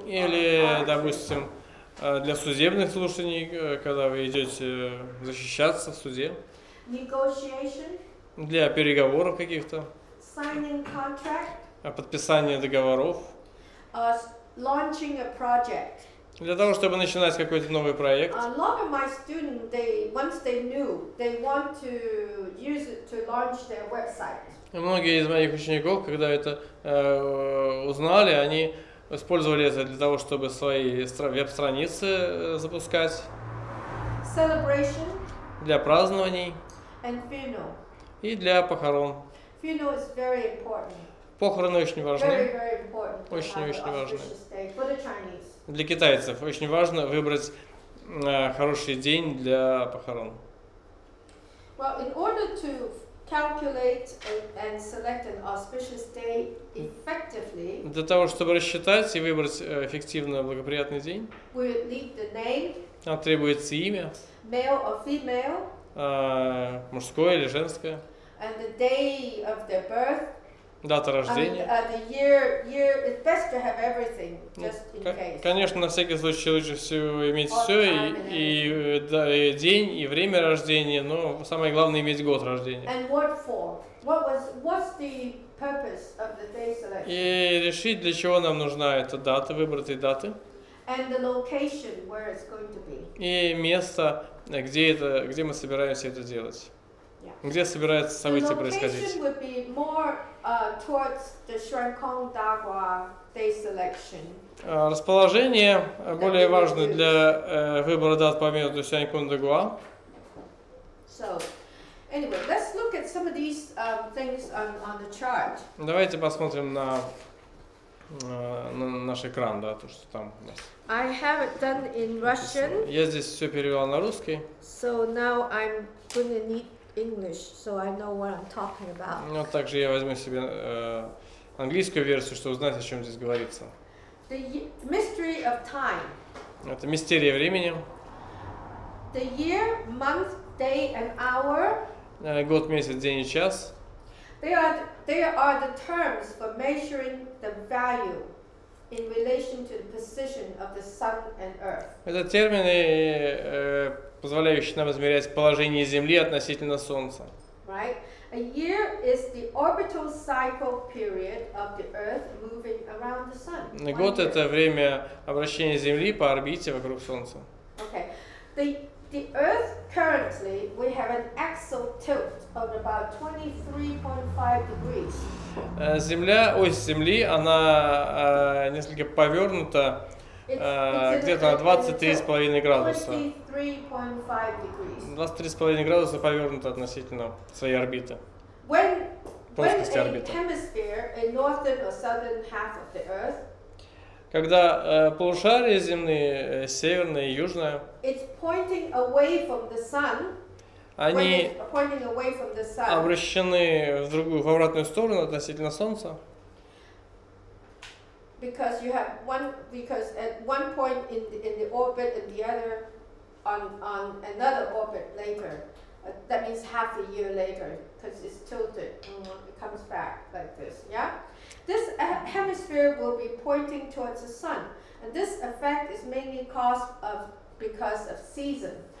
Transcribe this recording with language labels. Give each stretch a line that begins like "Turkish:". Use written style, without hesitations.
Russian: или, допустим, для судебных слушаний, когда вы идете защищаться в суде.
English: Negotiation.
Russian: Для переговоров каких-то.
English: Signing contract.
Russian: Подписание договоров.
English: Launching a project.
Russian: Для того, чтобы начинать какой-то новый проект.
English: A lot of my students, they want to use it to launch their website.
Russian: Многие из моих учеников, когда это узнали, они использовали это для того, чтобы свои веб-страницы запускать.
English: Celebration.
Russian: Для празднований.
English: And funeral.
Russian: И для похорон.
English: Funeral is very important.
Russian: Похороны очень важны.
English: Very, very important.
Russian: Очень-очень важны.
English: For the Chinese.
Russian: Для китайцев очень важно выбрать хороший день для похорон.
English: Well, in order to calculate and select an auspicious day effectively,
Russian: для того, чтобы рассчитать и выбрать эффективно благоприятный день,
English: we need the name.
Russian: Нам требуется имя.
English: Male or female.
Russian: Мужское или женское.
English: And the day of their birth.
Russian: Дата рождения.
English: And, the year, it's best to have everything, just in case.
Russian: Конечно, на всякий случай лучше всего иметь все, и день, и время рождения, но самое главное иметь год рождения.
English: And what for? What's the purpose of the day selection?
Russian: И решить, для чего нам нужна эта дата, выбранные даты.
English: And the location where it's going to be.
Russian: И место, где мы собираемся это делать.
English: Yeah.
Russian: Где собираются события происходить.
English: The location would be more towards the Shuangkong Dagua day selection.
Russian: Расположение более важно для выбора дат по методу Shuangkong Dagua.
English: So, anyway, let's look at some of these things on the chart.
Russian: Давайте посмотрим на наш экран, да, то, что там у нас.
English: I have it done in Russian.
Russian: Я здесь все перевел на русский.
English: So now I'm going to need English, so I know what I'm talking about.
Russian: Ну, также я возьму себе английскую версию, чтобы узнать, о чем здесь говорится.
English: The mystery of time.
Russian: Это мистерия времени.
English: The year, month, day and hour.
Russian: Год, месяц, день и час.
English: They are the terms for measuring the value in relation to the position of the sun and earth.
Russian: Это термины, позволяющие нам измерять положение Земли относительно Солнца.
English: Right. A year is the orbital cycle period of the Earth moving around the sun.
Russian: Год это время обращения Земли по орбите вокруг Солнца.
English: Okay. The Earth currently we have an axial tilt of about 23.5 degrees.
Russian: Земля, ось Земли, она несколько повернута где-то на 23,5 градуса. 23,5 градуса повернута относительно своей орбиты. Плоскости орбиты.
English: When a hemisphere, a northern or southern half of the Earth,
Russian: когда полушария земные, северное и южное,
English: it's pointing away from the sun.
Russian: Они
English: pointing away from the sun.
Russian: Обращены в другую, в обратную сторону относительно Солнца.
English: Because you have one, because at one point in the orbit and the other on another orbit later. That means half a year later, because it's tilted. It comes back like this. Yeah. This hemisphere will be pointing towards the sun, and this effect is mainly caused of because of season.